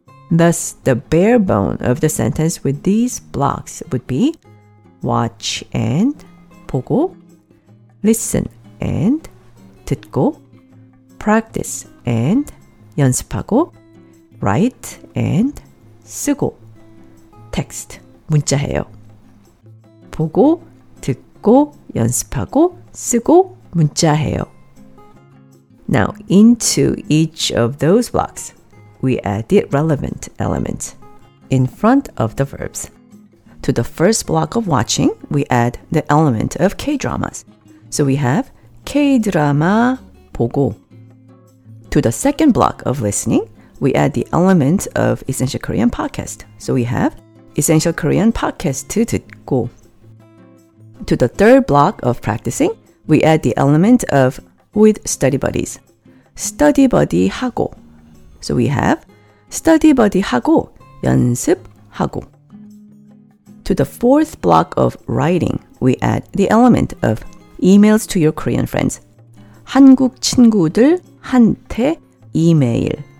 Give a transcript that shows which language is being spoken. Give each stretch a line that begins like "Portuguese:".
English: Thus, the bare bone of the sentence with these blocks would be watch and 보고, listen and 듣고, practice and 연습하고, write and 쓰고, text, 문자해요.
Korean: 보고, 듣고, 연습하고, 쓰고, 문자해요.
English: Now, into each of those blocks, we add the relevant element in front of the verbs. To the first block of watching, we add the element of K-dramas. So we have K-drama 보고. To the second block of listening, we add the element of Essential Korean Podcast. So we have Essential Korean Podcast 듣고. To the third block of practicing, we add the element of with study buddies. Study buddy 하고. So we have study buddy 하고 연습하고. To the fourth block of writing, we add the element of emails to your Korean friends.
Korean: 한국 친구들한테 이메일.